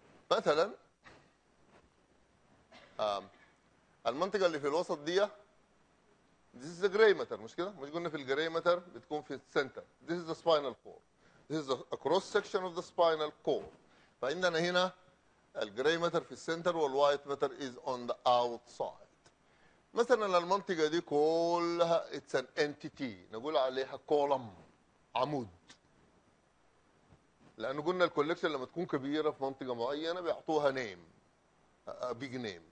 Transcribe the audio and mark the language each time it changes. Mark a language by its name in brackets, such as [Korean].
[Arabic] مثلا المنطقة اللي في الوسط دي [English] this is the gray matter [Arabic] مش كده؟ مش قلنا في الجراي ماتر بتكون في السنتر. [English] This is the spinal cord. This is a cross section of the spinal cord. [Arabic] فعندنا هنا [English] الجراي ماتر في السنتر والوايت matter is on the outside. [Arabic] مثلا المنطقه دي كلها [English] it's an entity [Arabic] نقول عليها كولم عمود, لانه قلنا الكولكشن لما تكون كبيره في منطقه معينه بيعطوها نيم [English] a big name.